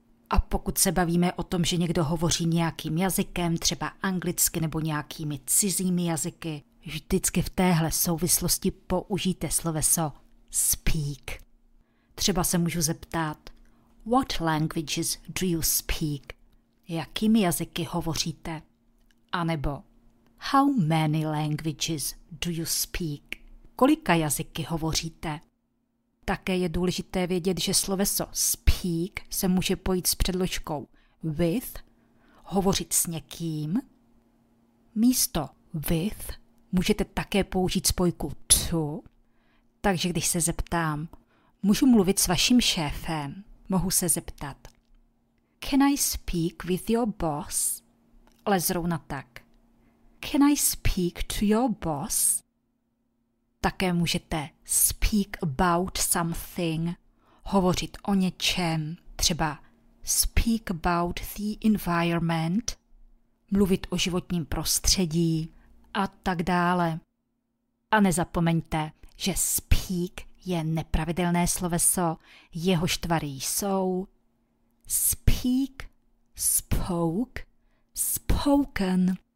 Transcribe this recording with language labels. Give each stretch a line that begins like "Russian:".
Czech: A pokud se bavíme o tom, že někdo hovoří nějakým jazykem, třeba anglicky nebo nějakými cizími jazyky, vždycky v téhle souvislosti použijte sloveso speak. Třeba se můžu zeptat,
English: what languages do you speak?
Czech: Jakými jazyky hovoříte? A nebo,
English: how many languages do you speak?
Czech: Kolika jazyky hovoříte? Také je důležité vědět, že sloveso speak se může pojít s předložkou with, hovořit s někým. Místo with můžete také použít spojku to, takže když se zeptám, můžu mluvit s vaším šéfem, mohu se zeptat,
English: can I speak with your boss?
Czech: Ale zrovna tak,
English: can I speak to your boss?
Czech: Také můžete speak about something, hovořit o něčem, třeba
English: speak about the environment,
Czech: mluvit o životním prostředí, a tak dále. A nezapomeňte, že speak je nepravidelné sloveso, jehož tvary jsou speak, spoke, spoken.